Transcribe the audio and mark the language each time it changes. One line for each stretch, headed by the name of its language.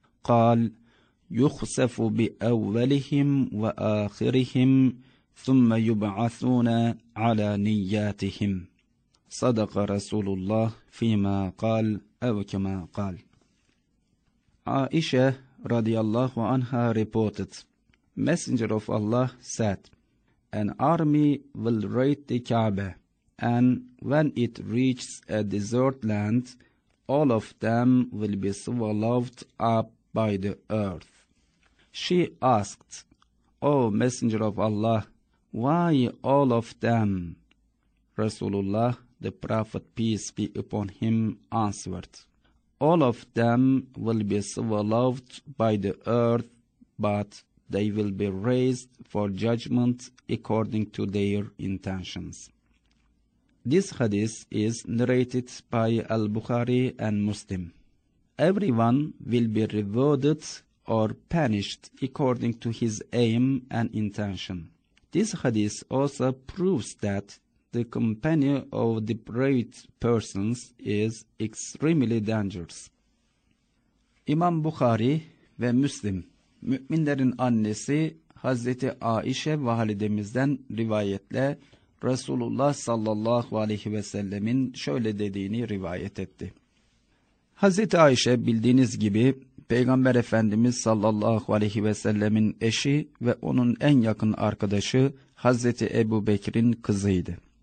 Arabic: قَالْ يُخْسَفُ بِأَوَّلِهِمْ وَآخِرِهِمْ ثُمَّ يُبْعَثُونَ عَلَى نِيَّاتِهِمْ صَدَقَ رَسُولُ اللّٰهِ فِي مَا قَالْ اَوْ كَمَا قَالْ Aişe radıyallahu anha
English: reported. Messenger of Allah said, An army will raid the Kaaba, and when it reaches a desert land, all of them will be swallowed up by the earth. She asked, O Messenger of Allah, why all of them? Rasulullah, the Prophet, peace be upon him, answered, All of them will be swallowed by the earth, but they will be raised for judgment according to their intentions. This hadith is narrated by Al-Bukhari and Muslim. Everyone will be rewarded or punished according to his aim and intention. This hadith also proves that the company of depraved persons is extremely dangerous.
Turkish: İmam Bukhari ve Müslim, müminlerin annesi Hazreti Aişe validemizden rivayetle Resulullah sallallahu aleyhi ve sellemin şöyle dediğini rivayet etti. Hazreti Aişe bildiğiniz gibi Peygamber Efendimiz sallallahu aleyhi ve sellemin eşi ve onun en yakın arkadaşı Hazreti Ebu Bekir'in kızıydı.